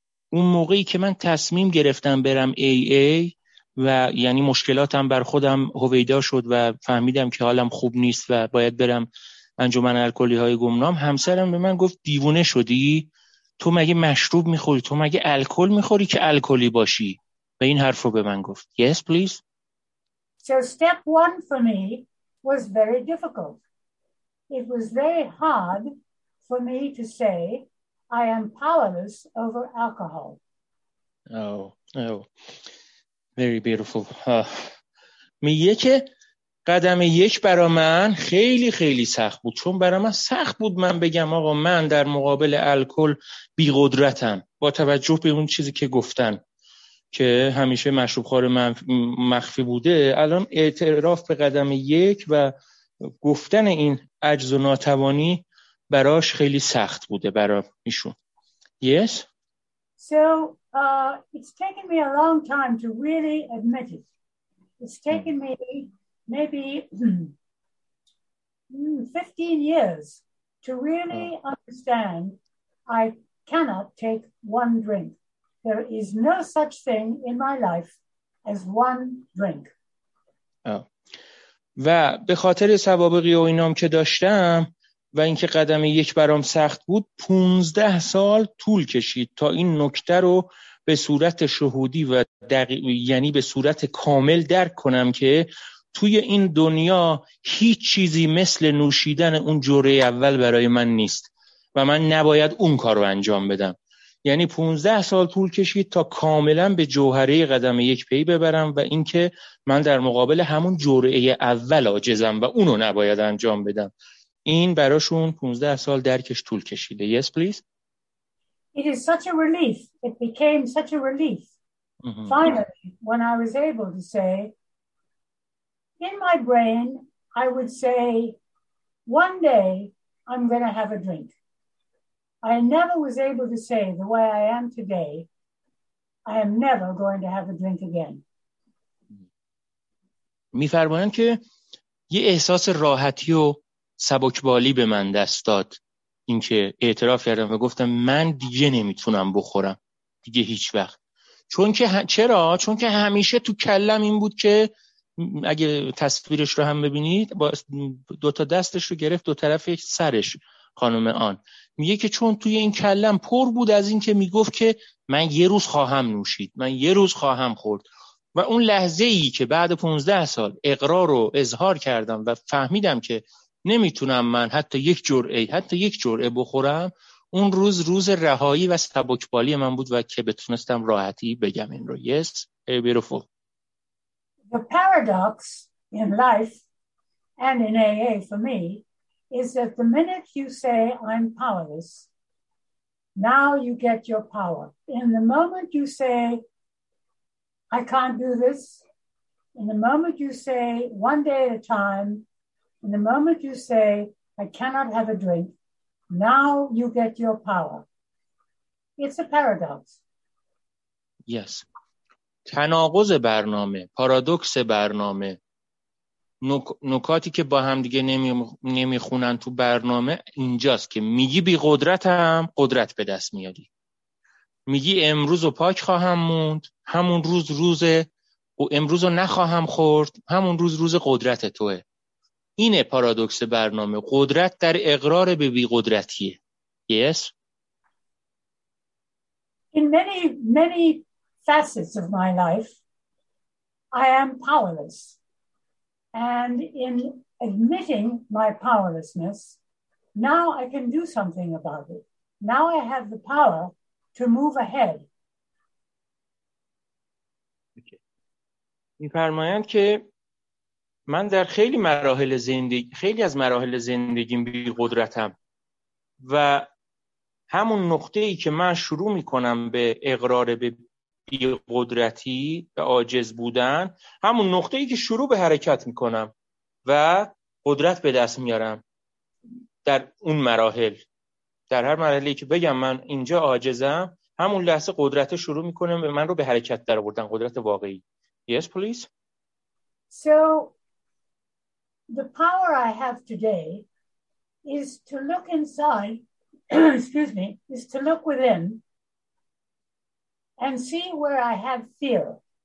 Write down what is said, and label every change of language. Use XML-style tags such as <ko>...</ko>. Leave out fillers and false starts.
<fa>اون موقعی که من تصمیم گرفتم برم AA و یعنی مشکلاتم بر خودم هویدا شد و فهمیدم که حالم خوب نیست و باید برم انجمن الکلی های گمنام، همسرم به من گفت دیوونه شدی؟ تو مگه مشروب میخوری؟ تو مگه الکل میخوری که الکلی باشی؟ به این حرف رو به من گفت.</fa> <en>Yes, please. So step one for me was very difficult. It was very hard for me to say I am powerless over alcohol. Oh, very beautiful.</en> <fa>میگه که قدم یک برا من خیلی خیلی سخت بود، چون برا من سخت بود من بگم آقا من در مقابل الکل بیقدرتم، با توجه به اون چیزی که گفتن که همیشه مشروب خوار مخفی بوده، الان اعتراف به قدم یک و گفتن این عجز و ناتوانی براش خیلی سخت بوده برا ایشون.</fa> <en>Yes. So it's taken me a long time to really admit it. It's taken me maybe 15 years to really understand I cannot take one drink. There is no such thing in my life as one drink.</en> <fa>و به خاطر سوابقی و اینام که داشتم و اینکه قدم یک برام سخت بود، 15 سال طول کشید تا این نکته رو به صورت شهودی و یعنی به صورت کامل درک کنم که توی این دنیا هیچ چیزی مثل نوشیدن اون جرعه اول برای من نیست و من نباید اون کار رو انجام بدم. یعنی 15 سال طول کشید تا کاملا به جوهره قدم یک پی ببرم و اینکه من در مقابل همون جرعه اول عاجزم و اونو نباید انجام بدم. این براشون 15 سال درکش طول کشیده.</fa> <en>Yes, please. It is such a relief. It became such a relief. Finally, when I was able to say in my brain, I would say, one day, I'm going to have a drink. I never was able to say the way I am today, I am never going to have a drink again.</en> <fa>می فرمایند که یه احساس راحتی و سبکبالی به من دست داد. این که اعتراف کردم و گفتم من دیگه نمیتونم بخورم. دیگه هیچ وقت. چون که چرا؟ چون که همیشه تو کلم این بود که اگه تصویرش رو هم ببینید با دوتا دستش رو گرفت دو طرف سرش خانم آن، میگه که چون توی این کلم پر بود از این که میگفت که من یه روز خواهم نوشید، من یه روز خواهم خورد، و اون لحظه ای که بعد 15 سال اقرار رو اظهار کردم و فهمیدم که نمیتونم من حتی یک جرعه بخورم، اون روز روز رهایی و سبکبالی من بود و که بتونستم راحتی بگم این رو.</fa> <en>Yes, beautiful. The paradox in life and in AA for me is that the minute you say I'm powerless, now you get your power. In the moment you say I can't do this, in the moment you say one day at a time, in the moment you say I cannot have a drink, now you get your power. It's a paradox. Yes.</en> <fa>تناقض برنامه، پارادوکس برنامه، نکاتی که با هم دیگه نمیخونن تو برنامه اینجاست که میگی بی قدرتم، قدرت به دست میادی. میگی امروز رو پاک خواهم موند، همون روز روز امروز رو نخواهم خورد، همون روز روز قدرت توه. اینه پارادوکس برنامه، قدرت در اقرار به بی قدرتیه.</fa> <en>Yes. In many many facets of my life I am powerless, and in admitting my powerlessness now I can do something about it. Now I have the power to move ahead. Okay.</en> <fa>می‌فرمایند که من در خیلی مراحل زندگی، خیلی از مراحل زندگیم بی قدرتم، و همون نقطه‌ای که من شروع می‌کنم به اقرار به بی قدرتی، به عاجز بودن، همون نقطه‌ای که شروع به حرکت می‌کنم و قدرت به دست میارم در اون مراحل، در هر مرحله‌ای که بگم من اینجا عاجزم، همون لحظه قدرت شروع می‌کنم به من رو به حرکت درآوردن، قدرت واقعی.</fa> <en>Yes, please. So the power I have today is to look inside, excuse me, is to look within and see where I have fear.</en>